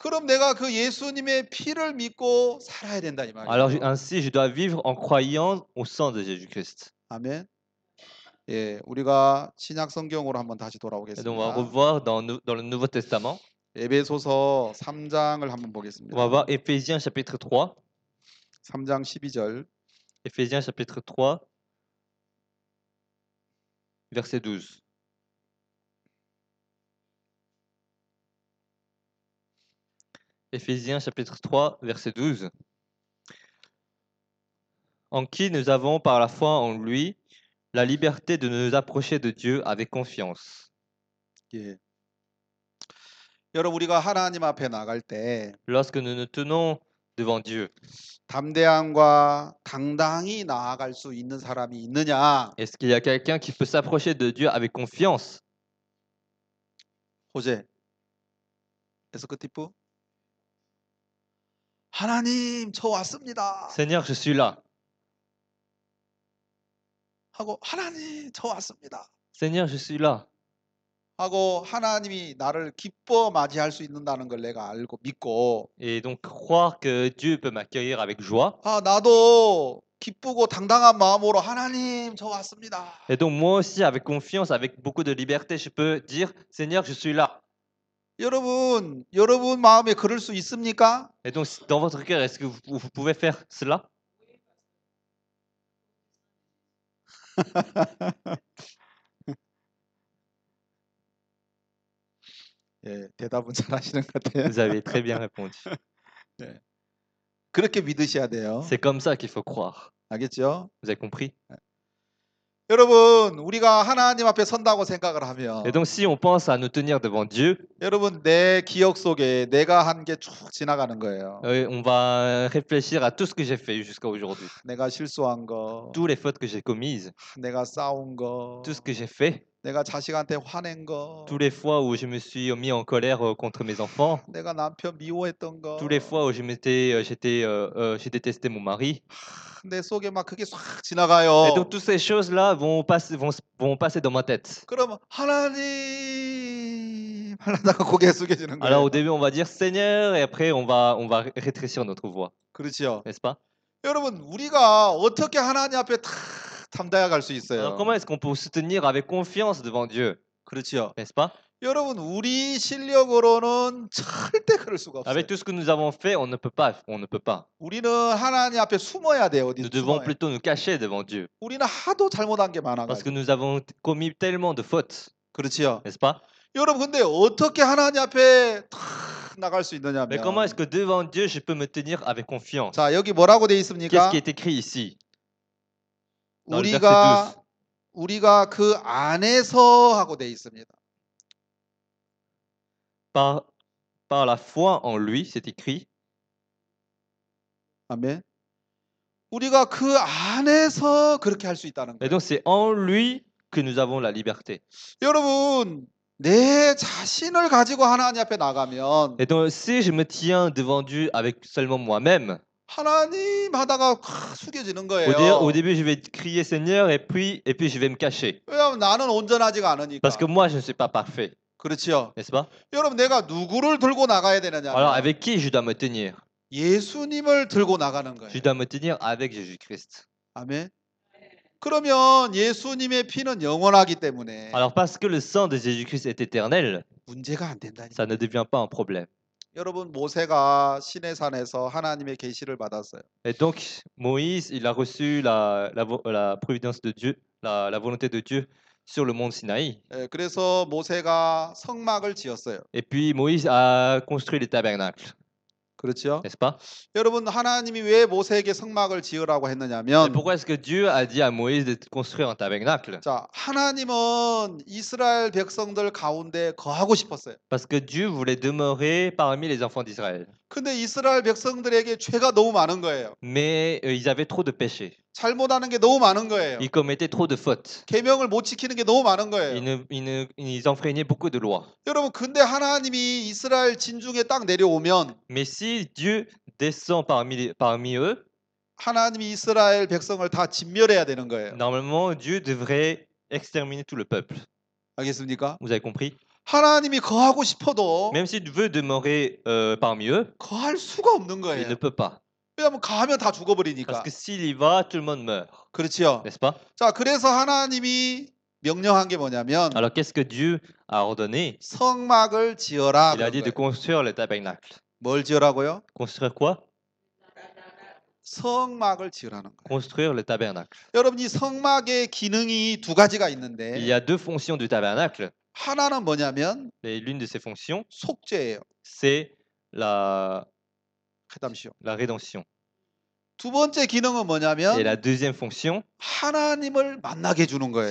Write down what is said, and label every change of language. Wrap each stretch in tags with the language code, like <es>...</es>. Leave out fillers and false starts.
<ko>그럼 내가 그 예수님의 피를 믿고 살아야 된다 이 말이야.</ko> <fr>Alors ainsi je dois vivre en croyant au sang de Jésus-Christ.</fr> <ko>아멘. 예, 우리가 신약 성경으로 한번 다시 돌아오겠습니다.</ko> <fr>Donc, on va voir dans le Nouveau Testament.</fr> <ko>에베소서 3장을 한번 보겠습니다.</ko> <fr>On va voir Ephésiens chapitre 3.</fr> <ko>3장 12절.</ko> <fr>Ephésiens chapitre 3 verset 12. Ephésiens chapitre 3 verset 12. En qui nous avons par la foi en lui la liberté de nous approcher de Dieu avec confiance.</fr> <ko>예. 여러분 우리가 하나님 앞에 나갈 때</ko> <fr>Lorsque nous nous tenons devant Dieu?</fr> <ko>담대함과 당당히 나아갈 수 있는 사람이 있느냐?</ko> <fr>Est-ce qu'il y a quelqu'un qui peut s'approcher de Dieu avec confiance?</fr> <ko>호세, 에스크티프, 하나님, 저 왔습니다.</ko> <fr>Seigneur, je suis là.</fr> <ko>하고 하나님, 저 왔습니다.</ko> <fr>Seigneur, je suis là.</fr> <ko>하고 하나님이 나를 기뻐 맞이할 수 있는다는 걸 내가 알고 믿고,</ko> <fr>Et donc croire que Dieu peut m'accueillir avec joie.</fr> <ko>아, 나도 기쁘고 당당한 마음으로 하나님, 저 왔습니다.</ko> <fr>Et donc moi aussi, avec confiance, avec beaucoup de liberté, je peux dire, Seigneur, je suis là.</fr> <ko>여러분 마음에 그럴 수 있습니까?</ko> <fr>Et donc, dans votre cœur, est-ce que vous pouvez faire cela?</fr> <ko>예, 대답은 잘하시는 것 같아요.</ko> <fr>Vous avez très bien répondu.</fr> <ko>예, 그렇게 믿으셔야 돼요.</ko> <fr>C'est comme ça qu'il faut croire.</fr> <ko>알겠죠?</ko> <fr>Vous avez compris?</fr> <ko>여러분, 우리가 하나님 앞에 선다고 생각을 하면,</ko> <fr>Et donc, si on pense à nous tenir devant Dieu,</fr> <ko>여러분, 내 기억 속에 내가 한게쭉 지나가는 거예요.</ko> <fr>on va réfléchir à tout ce que j'ai fait jusqu'à aujourd'hui.</fr> <ko>내가 실수한 거,</ko> <fr>Toutes les fautes que j'ai commises,</fr> <ko>내가 싸운</ko> <fr>tout ce</fr> <ko>거,</ko> <fr>que j'ai fait,</fr> <ko>내가 자식한테 화낸 거,</ko> <fr>toutes les fois où je me suis mis en colère contre mes enfants,</fr> <ko>내가 남편 미워했던</ko> <fr>toutes les</fr> <ko>거,</ko> <fr>fois où j'ai détesté mon mari.</fr> <ko>내 속에 막 그게 싹</ko> <fr>Et</fr> <ko>지나가요.</ko> <fr>donc, toutes ces choses-là vont passer dans ma tête.</fr> <ko>그러면 하나님 하나님 고개 숙여지는</ko> <fr>Alors,</fr> <ko>거예요.</ko> <fr>au début, on va dire Seigneur, et après, on va rétrécir notre voix.</fr> <ko>그렇죠.</ko> <fr>N'est-ce pas?</fr> <ko>여러분, 우리가 어떻게 하나님 앞에 탁 담대하게 갈수</ko> <fr>Alors, comment est-ce qu'on peut se tenir avec confiance devant Dieu?</fr> <ko>그렇죠.</ko> <fr>N'est-ce pas?</fr> <ko>여러분, 우리 실력으로는 절대 그럴 수가 없어요.</ko> <fr>Avec tout ce que nous avons fait, on ne peut pas.</fr> <ko>우리는 하나님 앞에 숨어야 돼요. 어디</ko> <fr>Nous devons plutôt nous cacher devant Dieu.</fr> <ko>우리는 하도 잘못한 게</ko> <fr>Parce que</fr> <ko>많아가지고.</ko> <fr>nous avons commis tellement de fautes.</fr> <ko>그렇지요.</ko> <fr>N'est-ce pas?</fr> <ko>여러분, 근데 어떻게 하나님 앞에 탁 나갈 수</ko> <fr>Mais comment est-ce que devant Dieu, je peux me tenir avec confiance?</fr> <ko>자, 여기 뭐라고 돼</ko> <fr>Qu'est-ce qui</fr> <ko>있습니까?</ko> <fr>est écrit ici? Dans le verset 12.</fr> <ko>우리가 그 안에서 하고 돼 있습니다.</ko> <fr>Par la foi en lui, c'est écrit.</fr> <ko>아멘. 우리가 그 안에서 그렇게 할수 있다는</ko> <fr>Et donc, c'est en lui que nous avons la liberté.</fr> <ko>거예요. 여러분, 내 자신을 가지고 하나님 앞에 나가면</ko> <fr>Et donc, si je me tiens devant Dieu avec seulement moi-même,</fr> <ko>하나님 하다가 숙여지는</ko> <fr>au</fr> <ko>거예요.</ko> <fr>début, je vais crier Seigneur et puis je vais me cacher.</fr> <ko>왜냐하면 나는 온전하지가 않으니까.</ko> <fr>parce que moi, je ne suis pas parfait.</fr> <ko>그렇지요.</ko> <fr>N'est-ce pas?</fr> <ko>여러분, 내가 누구를 들고 나가야</ko> <fr>Alors,</fr> <ko>되느냐면</ko> <fr>avec qui je dois me tenir?</fr> <ko>예수님을 들고 나가는</ko> <fr>Je dois me tenir avec Jésus-Christ.</fr> <ko>거예요. 아멘. 그러면 예수님의 피는 영원하기 때문에</ko> <fr>Alors, parce que le sang de Jésus-Christ est éternel,</fr> <ko>문제가 안</ko> <fr>ça ne</fr> <ko>된다니까요.</ko> <fr>devient pas un problème.</fr> <ko>여러분, 모세가 시내산에서 하나님의 계시를 받았어요.</ko> <fr>Et donc, Moïse, il a reçu la providence de Dieu, la volonté de Dieu sur le mont Sinaï.</fr> <ko>예, 그래서 모세가 성막을 지었어요.</ko> <fr>Et puis, Moïse a construit le tabernacle.</fr> <ko>그렇죠?</ko> <fr>N'est-ce pas?</fr> <ko>여러분, 하나님이 왜 모세에게 성막을 지으라고</ko> <fr>Et</fr> <ko>했느냐면,</ko> <fr>pourquoi est-ce que Dieu a dit à Moïse de construire un tabernacle?</fr> <ko>자, 하나님은 이스라엘 백성들 가운데 거하고 싶었어요.</ko> <fr>Parce que Dieu voulait demeurer parmi les enfants d'Israël.</fr> <ko>근데 이스라엘 백성들에게 죄가 너무 많은 거예요.</ko> <fr>Mais ils avaient trop de péchés.</fr> <ko>잘못하는 게 너무 많은 거예요.</ko> <fr>이 committed trop de fautes.</fr> <ko>계명을 못 지키는 게 너무 많은 거예요.</ko> <fr>Ils enfreignaient beaucoup de lois.</fr> <ko>여러분, 근데 하나님이 이스라엘 진중에 딱 내려오면</ko> <fr>Mais si Dieu descend parmi eux,</fr> <ko>하나님이 이스라엘 백성을 다 진멸해야 되는 거예요.</ko> <fr>normalement Dieu devrait exterminer tout le peuple.</fr> <ko>알겠습니까?</ko> <fr>�ous avez compris?</fr> <ko>하나님이 거하고 싶어도</ko> <fr>même s'il veut demeurer parmi eux,</fr> <ko>거할 수가 없는</ko> <fr>il</fr> <ko>거예요.</ko> <fr>ne peut pas.</fr> <ko>왜냐하면 가면 다 죽어버리니까.</ko> <fr>parce que s'il y va, tout le monde meurt.</fr> <ko>그렇지요.</ko> <fr>n'est-ce pas?</fr> <ko>자, 그래서 하나님이 명령한 게 뭐냐면</ko> <fr>alors qu'est-ce que Dieu a ordonné?</fr> <ko>성막을 지어라</ko> <fr>il</fr> <ko>그런</ko> <fr>a dit de construire le tabernacle.</fr> <ko>뭘 지으라고요?</ko> <fr>construire quoi?</fr> <ko>성막을 지으라는</ko> <fr>construire le tabernacle.</fr> <ko>거예요. 여러분, 이 성막의 기능이 두 가지가</ko> <fr>il y</fr> <ko>있는데</ko> <fr>a deux fonctions du tabernacle.</fr> <ko>하나는 뭐냐면</ko> <fr>et l'une de ces fonctions</fr> <ko>속죄예요.</ko> <fr>c'est Rédemption. la rédemption.</fr> <ko>두 번째 기능은 뭐냐면</ko> <fr>et la deuxième fonction</fr> <ko>하나님을 만나게 해주는 거예요.</ko>